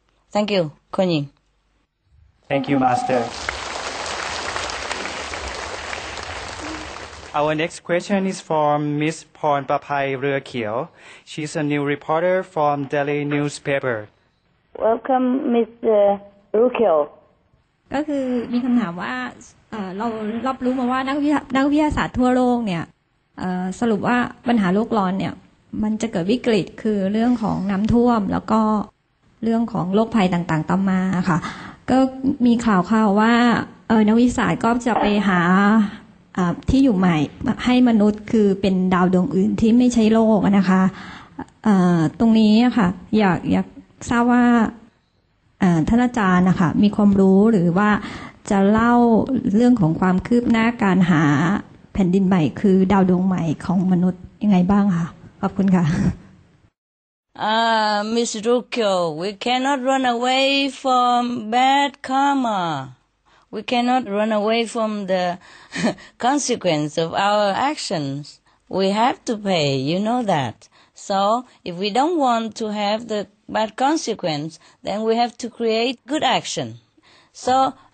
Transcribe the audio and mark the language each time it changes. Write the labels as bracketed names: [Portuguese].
[English] Thank you, Kunying. Thank you, Master. Our next question is from Ms. Porn Papai Ruekio. She's a new reporter from Daily Newspaper. Welcome, Ms. Ruekio. [Thai] ก็คือมีคำถามว่าเรารับรู้มาว่านักวิทยาศาสตร์ทั่วโลกเนี่ยสรุปว่าปัญหาโลกร้อนเนี่ยมันจะเกิดวิกฤตคือเรื่องของน้ำท่วมแล้วก็เรื่องของโรคภัยต่างๆตามมาค่ะก็มีข่าวว่านักวิทยาศาสตร์ก็จะไปหาที่อยู่ใหม่ให้มนุษย์คือเป็นดาวดวงอื่นที่ไม่ใช่โลกนะคะตรงนี้ค่ะอยากทราบว่า ท่านอาจารย์นะคะมีความรู้หรือว่าจะเล่าเรื่องของความคืบหน้าการหาแผ่นดินใหม่คือดาวดวงใหม่ของมนุษย์ยังไงบ้างคะขอบคุณค่ะ [English] Ms. Rukyo, we cannot run away from bad karma. We cannot run away from the consequence of our actions. We have to pay, you know that. So if we don't want to have the bad consequence, then we have to create good action. So